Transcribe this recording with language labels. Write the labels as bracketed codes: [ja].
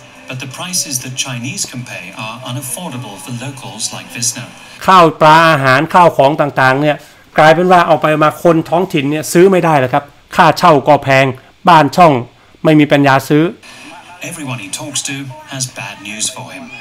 [en] But the prices that Chinese can pay are unaffordable for locals like Visna. [th] ข้าวปลาอาหารข้าวของต่างๆเนี่ยกลายเป็นว่าเอาไปมาคนท้องถิ่นเนี่ยซื้อไม่ได้แล้วครับค่าเช่าก็แพงบ้านช่องไม่มีปัญญาซื้อ [en] Everyone he talks to has bad news for him.